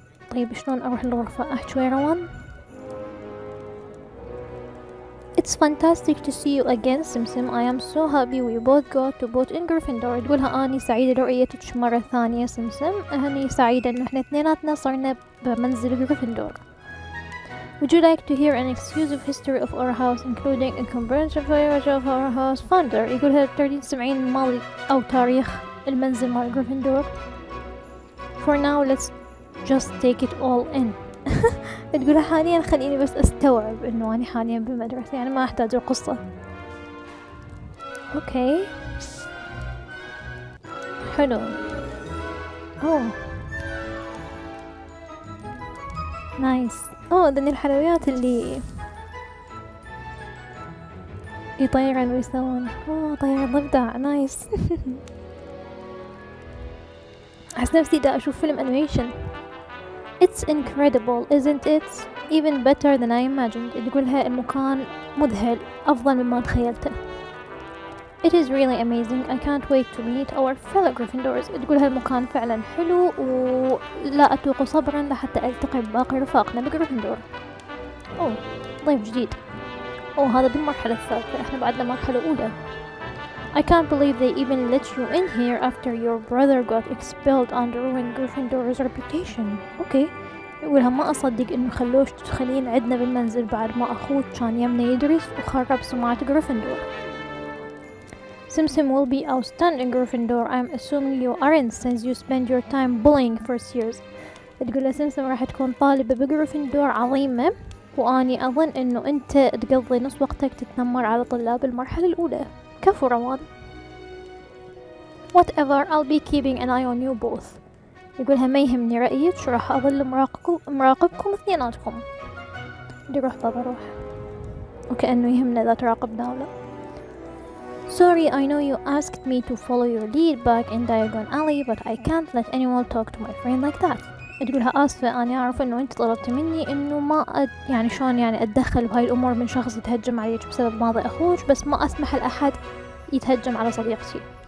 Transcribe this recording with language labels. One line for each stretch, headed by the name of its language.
Arabic: طيب شلون أروح الغرفة؟ أحتوي روان.
English: It's fantastic to see you again, Simsim. I am so happy we both got to vote in Gryffindor.
Arabic: تقولها أني سعيدة لرؤيتك مرة ثانية سمسم. أني سعيدة إن إحنا اثنيناتنا صرنا بمنزل غريفندور.
English: Would you like to hear an exclusive history of our house, including a comprehensive of our house founder?
Arabic: يقول هذا 1370 مالي أو تاريخ المنزل مال غريفندور.
English: For now, let's just take it all in.
Arabic: تقول حاليا خليني بس استوعب إنه أنا حاليا بمدرسة، يعني ما أحتاج القصة.
English: Okay.
Arabic: حلو.
English: Nice.
Arabic: ذني الحلويات اللي يطيرن ويسوون. طير الضفدع، نايس. أحس نفسي دا أشوف فيلم أنيميشن.
English: It's incredible, isn't it? Even better than I imagined.
Arabic: تقولها المكان مذهل، أفضل مما تخيلته.
English: It is really amazing. I can't wait to meet our fellow Gryffindors.
Arabic: تقول هالمكان فعلا حلو ولا أتوق صبرا لحتى ألتقي بباقي رفاقنا بغريفندور. ضيف جديد. هذا بالمرحلة الثالثة، احنا بعدنا مرحلة أولى.
English: I can't believe they even let you in here after your brother got expelled under ruined Gryffindor's reputation. Okay.
Arabic: يقولها ما أصدق إنه خلوش تدخلين عندنا بالمنزل بعد ما أخوك كان يمنا يدرس وخرب سمعة غريفندور.
English: Simsim will be outstanding Gryffindor. I'm assuming you aren't, since you spend your time bullying for years.
Arabic: تقول سمسم راح تكون طالبة بغريفندور عظيمة، وأني أظن إنه أنت تقضي نص وقتك تتنمر على طلاب المرحلة الأولى. كفو روان.
English: Whatever, I'll be keeping an eye on you both.
Arabic: يقولها ما يهمني رأيك، راح أظل مراقبكم اثنيناتكم. دي روح بابا روح. وكأنه يهمنا إذا تراقبنا ولا.
English: Sorry, I know you asked me to follow your lead back in Diagon Alley, but I can't let anyone talk to my friend like that.
Arabic: تقولها آسفة، أنا أعرف إنه أنت طلبت مني إنه ما يعني شلون يعني أتدخل بهاي الأمور من شخص يتهجم عليك بسبب ماضي أخوك، بس ما أسمح لأحد يتهجم على صديقتي.